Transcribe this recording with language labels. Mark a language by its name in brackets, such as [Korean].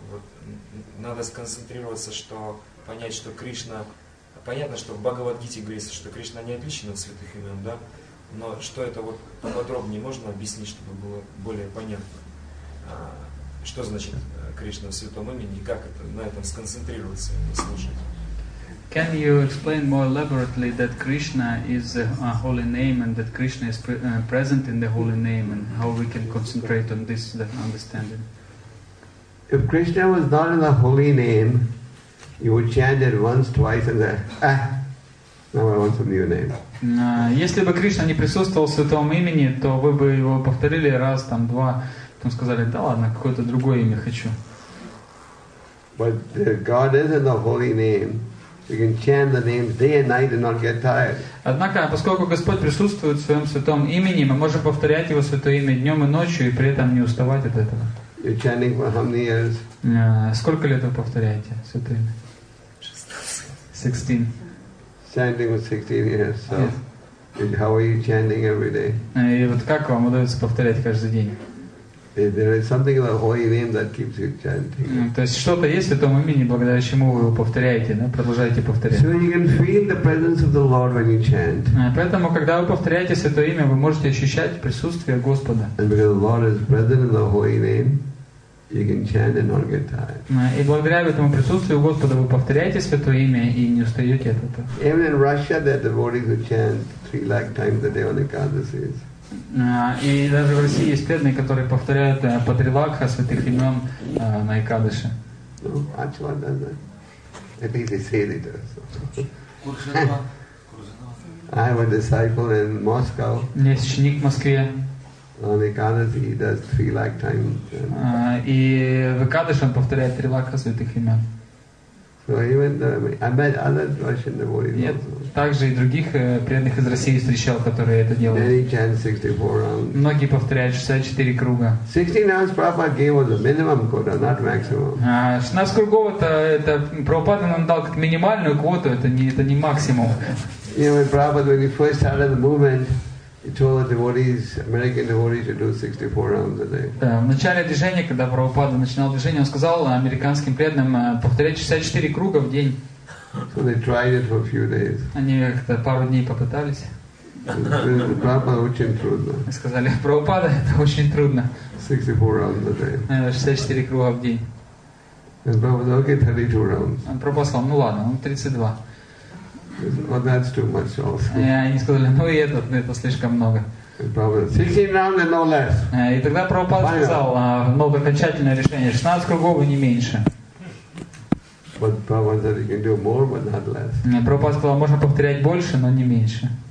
[Russian] Вот, надо сконцентрироваться, что понять, что Кришна. Понятно, что в Бхагавад-гите говорится, что Кришна не отличен от святых имен, да? Но что это вот поподробнее можно объяснить, чтобы было более понятно, что значит Кришна в святом имени и как это, на этом сконцентрироваться и слушать. [English] Can you explain more elaborately that Krishna is a holy name and that Krishna is present in the holy name and how we can concentrate on this, that understanding? If Krishna was not in the holy name, you would chant it once, twice, and then, now I want some new name. [Russian] Если бы Кришна не присутствовал в святом имени, то вы бы его повторили раз, там, два, потом сказали, да ладно, какое-то другое имя хочу. [English] But if God is in the holy name, you can chant the name day and night and not get tired. [Russian] Однако, поскольку Господь присутствует в своем святом имени, мы можем повторять его святое имя днем и ночью и при этом не уставать от этого. [English] You're chanting for how many years? [Russian] Сколько лет вы повторяете святое имя? 16. [English] Chanting for 16 years. So, yes. How are you chanting every day? [Russian] И вот как вам удается повторять каждый день? [English] There is something in the holy name that keeps you chanting. [Russian] То есть что-то есть в этом имени, благодаря чему вы его повторяете, да? Продолжаете повторять. [English] So you can feel the presence of the Lord when you chant. [Russian] Поэтому, когда вы повторяете святое имя, вы можете ощущать присутствие Господа. [English] And because the Lord is present in the holy name, you can chant and not get tired. [Russian] И благодаря этому присутствию Господа вы повторяете святое имя и не устаете от этого. [English] Even in Russia, there are devotees who chant 3 lakh times a day on Ekadasis. [Russian] И даже в России есть преданные, которые повторяют по 3 лакха святых имен на Экадыше. Ну, Ачла, да. Это и Сейли, да. [English] I have a disciple in Moscow. [Russian] Есть ученик в Москве. [English] On Ekadashi, he does three lifetime. [Russian] И в Экадаши он повторяет три лакха святых имен. [English] So even though, I met other Russian devotees. [Russian] Нет, также и других преданных из России встречал, которые это делают. [English] Many chant 64 rounds. [Russian] Многие повторяют 64 круга. [English] 16 rounds Prabhupada gave was a minimum quota, not maximum. [Russian] 16 кругов это Прабхупада нам дал как минимальную квоту, это не максимум. [English] You know, when Prabhupada, when he first started the movement, he told the devotees, American devotees, to do 64 rounds a day. [Russian] В начале движения, когда Прабхупада начинал движение, он сказал американским преданным повторять 64 круга в день. [English] So they tried it for a few days. [Russian] Они как-то пару дней попытались. Прабхупада очень трудно. Сказали, Прабхупада, это очень трудно. [English] 64 rounds a day. [Russian] 64 круга в день. [English] And Prabhupada, okay, 32 rounds. [Russian] Прабхупада сказал, ну ладно, 32. [English] Well, that's too much also. [Russian] Они сказали, ну и это слишком много. И тогда Прабхупада сказал, ну, окончательное решение, 16 кругов и не меньше. [English] But Prabhupada said you can do more, but not less. [Russian] Прабхупада сказал, можно повторять больше, но не меньше.